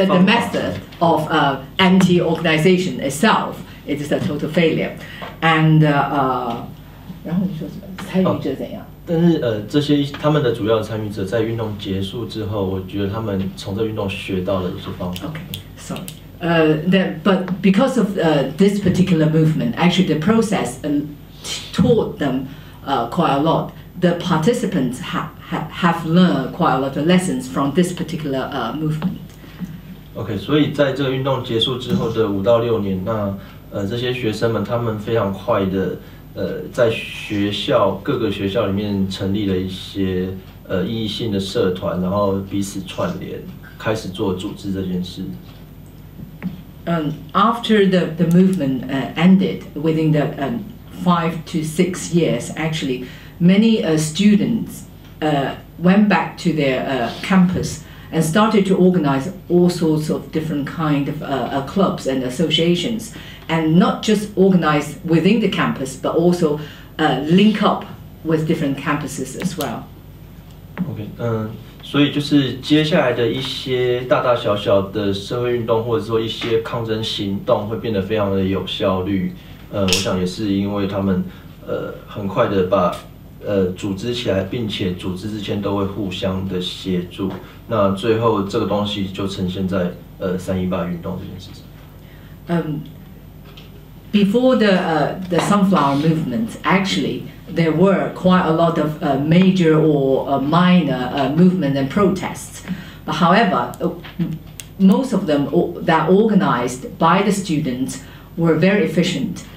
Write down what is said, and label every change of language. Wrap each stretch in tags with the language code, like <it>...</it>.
<zh>方法上</zh> <en>the method of anti-organization itself, it is a total failure.</en> <zh>And 然后你说什么？参与者怎样？但是这些他们的主要参与者在运动结束之后，我觉得他们从这运动学到了一些方法。</zh> <en>Okay, sorry. But because of this particular movement, actually the process taught them quite a lot. The participants have learned quite a lot of lessons from this particular movement.</en> <zh>Okay, 所以在这个运动结束之后的5到6年，那这些学生们他们非常快的在学校各个学校里面成立了一些意义性的社团，然后彼此串联，开始做组织这件事。</zh> <en>After the movement ended within the 5 to 6 years, actually, many students went back to their campus and started to organize all sorts of different kind of clubs and associations, and not just organize within the campus, but also link up with different campuses as well. Okay.</en> <zh>所以就是接下来的一些大大小小的社会运动，或者说一些抗争行动，会变得非常的有效率。我想也是因为他们很快的把组织起来，并且组织之间都会互相的协助。那最后这个东西就呈现在318运动这件事情。</zh> <en>Before the sunflower movement, actually, there were quite a lot of major or minor movement and protests. But however, most of them that organized by the students were very efficient.</en>